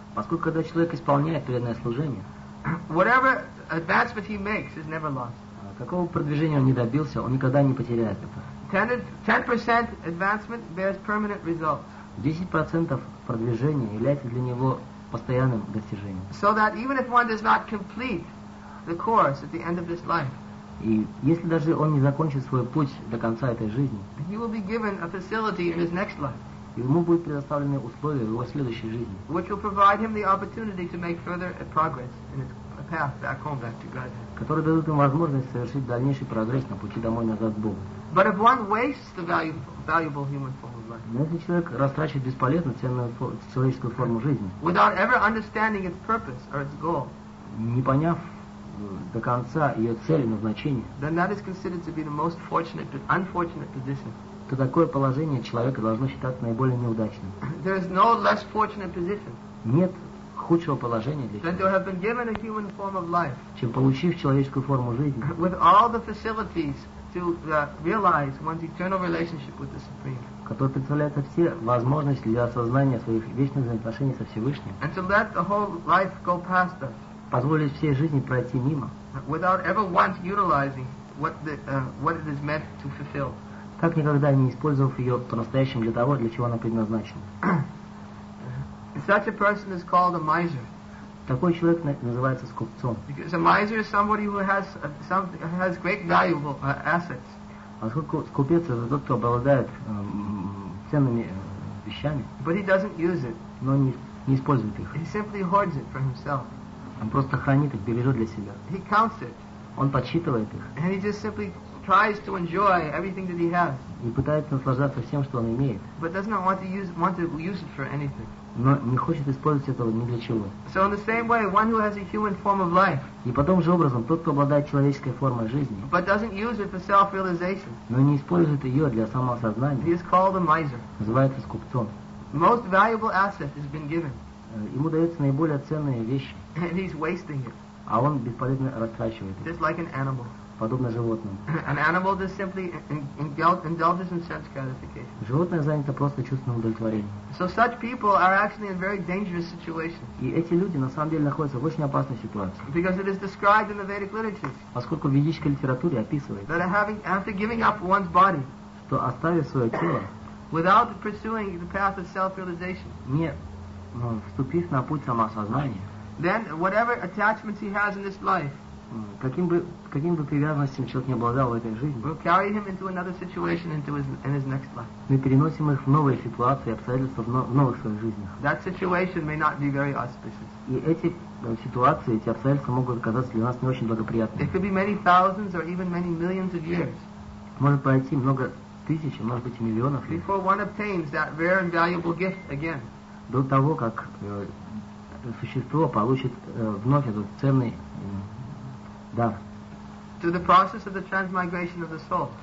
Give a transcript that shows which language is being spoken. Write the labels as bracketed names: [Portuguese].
[Russian] Поскольку когда человек исполняет преданное служение, [English] whatever advancement he makes is never lost. [Russian] Какого продвижения он не добился, он никогда не потеряет это. [English] 10% advancement bears permanent results. [Russian] 10% продвижения является для него постоянным достижением. [English] So that even if one does not complete the course at the end of this life. [Russian] И если даже он не закончит свой путь до конца этой жизни, [English] he will be given a facility in his next life. [Russian] Ему будут предоставлены условия в его следующей жизни. [English] Which will provide him the opportunity to make further progress in his path back home, back to Godhead. [Russian] Которые дадут ему возможность совершить дальнейший прогресс на пути домой назад к Богу. [English] But if one wastes the valuable human form of life. [Russian] Но если человек растрачивает бесполезно ценную человеческую форму жизни. [English] Without ever understanding its purpose or its goal. [Russian] Не поняв до конца ее цели, назначения, [English] then that is considered to be the most fortunate, unfortunate position. [Russian] То такое положение человека должно считаться наиболее неудачным. [English] There is no less fortunate position. [Russian] Нет худшего положения для человека, [English] than to have been given a human form of life, [Russian] чем получив человеческую форму жизни, [English] with all the facilities to realize one's eternal relationship with the Supreme. [Russian] Которые представляют все возможности для осознания своих вечных взаимоотношений со Всевышним. [English] And to let the whole life go past us. [Russian] Позволить всей жизни пройти мимо. [English] Without ever once utilizing what it is meant to fulfill. [Russian] Так никогда не использовав ее по-настоящему для того, для чего она предназначена. [English] Such a person is called a miser. [Russian] Такой человек называется скупцом. [English] Because a miser is somebody who has has great valuable assets. [Russian] Поскольку скупец это тот, кто обладает ценными вещами. [English] But he doesn't use it. [Russian] Но не использует их. [English] He simply hoards it for himself. [Russian] Он просто хранит их, бережет для себя. [English] He counts it. [Russian] Он подсчитывает их. [English] And he just simply tries to enjoy everything that he has. [Russian] И пытается наслаждаться всем, что он имеет. [English] But does not want to use it for anything. [Russian] Но не хочет использовать этого ни для чего. [English] So in the same way, one who has a human form of life. [Russian] И по тому же образом, тот, кто обладает человеческой формой жизни. [English] But doesn't use it for self-realization. [Russian] Но не использует ее для самоосознания. [English] He is called a miser. [Russian] Называется скупцом. [English] Most valuable asset has been given. [Russian] Ему дается наиболее ценные вещи. [English] And he's wasting it. [Russian] А он бесполезно растрачивает их. [English] Just like an animal. [Russian] Подобно животным. [English] An animal that simply indulges in sense gratification. [Russian] Животное занято просто чувством удовлетворения. [English] So such people are actually in very dangerous situations. [Russian] И эти люди на самом деле находятся в очень опасной ситуации. [English] Because it is described in the Vedic literature. [Russian] Поскольку в ведической литературе описывается. [English] That after giving up one's body. [Russian] Что оставив свое тело. [English] Without pursuing the path of self-realization. [Russian] Нет. Ну, вступив на путь самоосознания. [English] Then whatever attachments he has in this life. [Russian] Каким бы привязанностям человек не обладал в этой жизни, [English] we'll carry him into another situation into his next life. [Russian] Мы переносим их в новые ситуации, обстоятельства в новых своих жизнях. [English] That situation may not be very auspicious. [Russian] И эти ситуации, эти обстоятельства могут оказаться для нас не очень благоприятными. [English] It could be many thousands or even many millions of years. [Russian] Может пройти много тысяч, а может быть и миллионов лет. [English] Before one obtains that rare and valuable gift again. [Russian] До того, как существо получит вновь этот ценный дар. [English] To the process of the transmigration of the soul.